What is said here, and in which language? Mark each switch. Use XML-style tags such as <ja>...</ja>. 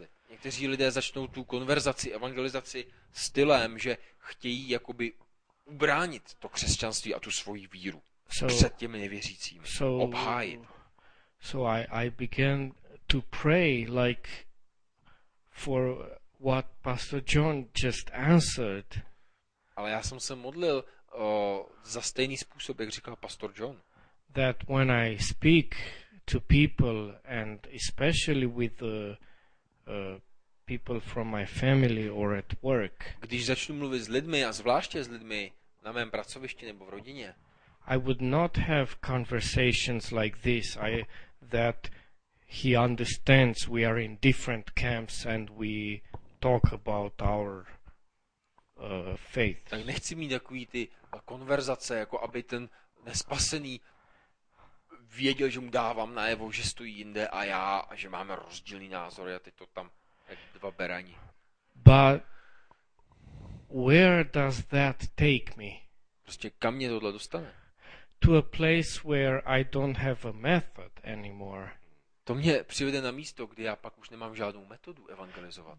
<cs>Někteří lidé začnou tu konverzaci, evangelizaci stylem, že chtějí jakoby ubránit to křesťanství a tu svoji víru před těmi nevěřícími, obhájit.</cs> <en>So I began to pray like for what Pastor John just answered.</en> <cs>Ale já jsem se modlil za stejný způsob, jak říkal Pastor John.</cs> <en>That when I speak to people and especially with the people from my family or at work.</en> <cs>Když začnu mluvit s lidmi a zvláště s lidmi na mém pracovišti nebo v rodině.</cs> <en>I would not have conversations like this. That he understands we are in different camps and we talk about our faith.</en> <cs>Tak nechci mít takový ty konverzace, jako aby ten nespasený věděl, že mu dávám najevo, že stojí jinde a já, a že máme rozdílný názor a teď to tam jak dva berani.</cs> <en>But where does that take me?</en> <cs>Prostě kam mě tohle dostane?</cs> <en>To a place where I don't have a method anymore.</en> <cs>To mě přivede na místo, kde já pak už nemám žádnou metodu evangelizovat.</cs>